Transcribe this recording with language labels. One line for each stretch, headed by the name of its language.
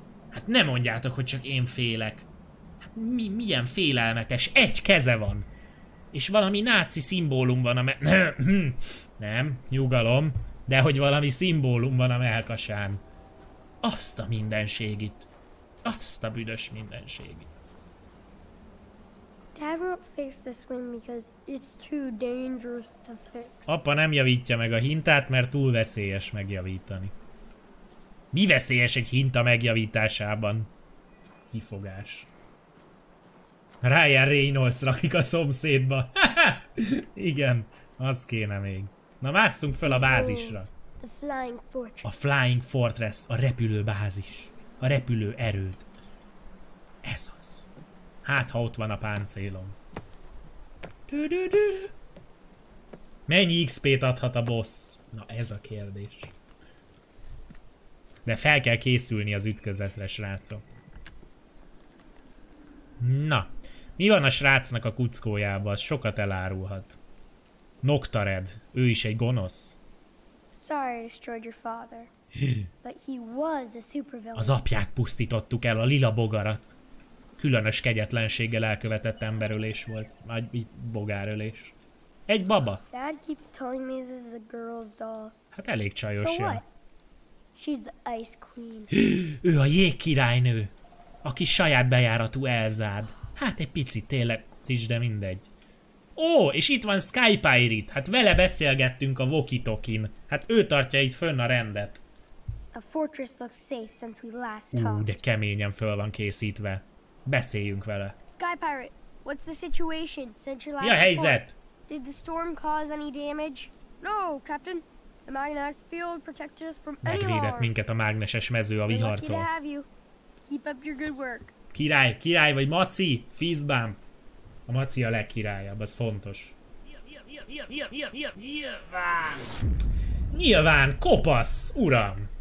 Hungarian: Hát ne mondjátok, hogy csak én félek. Hát milyen félelmetes. Egy keze van. És valami náci szimbólum van a nem, nyugalom. De hogy valami szimbólum van a mellkasán. Azt a mindenségit. Azt a büdös mindenségit.
English: Dad won't fix this one because it's too dangerous to fix.
Hungarian: Apa nem javítja meg a hintát, mert túl veszélyes megjavítani. Mi veszélyes egy hinta megjavításában? Kifogás. Ryan Reynolds rakik a szomszédba. Igen, az kéne még. Na másszunk föl a bázisra.
English: The Flying Fortress.
Hungarian: A Flying Fortress, a repülő bázis. A repülő erőd. Ez az. Hát, ha ott van a páncélom. Mennyi XP-t adhat a boss? Na, ez a kérdés. De fel kell készülni az ütközetre, srácok. Na, mi van a srácnak a kuckójában? Az sokat elárulhat. Noctared, ő is egy gonosz.
English: Sorry, I destroyed your father. But he was a supervillain.
Hungarian: Az apját pusztítottuk el, a lila bogarat. Különös kegyetlenséggel elkövetett emberölés volt. Nagy bogárölés. Egy baba.
English: Dad keeps telling me this is a girl's doll.
Hungarian: Hát elég csajos.
English: So she's the ice queen.
Hungarian: Ő a jégkirálynő. Aki saját bejáratú Elzád. Hát egy picit tényleg, cics, de mindegy. Ó, és itt van Sky Pirate. Hát vele beszélgettünk a Wokitokin. Hát ő tartja itt fönn a rendet.
English: A fortress looks safe since we last talked.
Hungarian: De keményen föl van készítve. Beszéljünk vele.
English: Sky Pirate, what's the situation since your last?
Hungarian: Mi a helyzet?
English: Did the storm cause any damage? No, Captain. The magnetic field protected us from any harm.
Hungarian: Megvédett minket a mágneses mező a vihartól.
English: Lucky to have you. Keep up your good work.
Hungarian: Király, király vagy Maci? Fizz bám. A Maci a legkirályabb, az fontos. Nyilván. Nyilván, kopasz, uram.